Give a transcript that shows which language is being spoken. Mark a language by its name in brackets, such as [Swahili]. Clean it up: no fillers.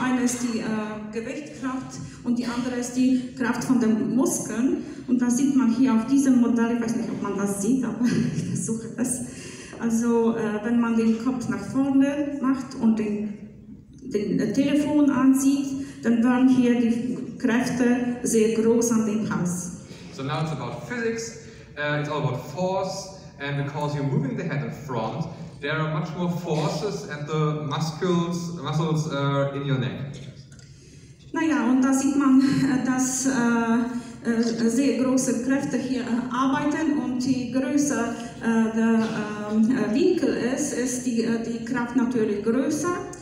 [German] Eine ist die Gewichtkraft und die andere ist die Kraft von den Muskeln. Und das sieht man hier auf diesem Modell, ich weiß nicht, ob man das sieht, aber ich versuche es. Also wenn man den Kopf nach vorne macht und den Telefon anzieht, dann werden hier die Kräfte sehr groß an dem Hals. [English] So now it's about physics, it's all about force, and because you're moving the head in front, there are much more forces at the muscles in your neck. [German] Naja, und da sieht man, dass sehr große Kräfte hier arbeiten und je größer der Winkel ist, ist die Kraft natürlich größer.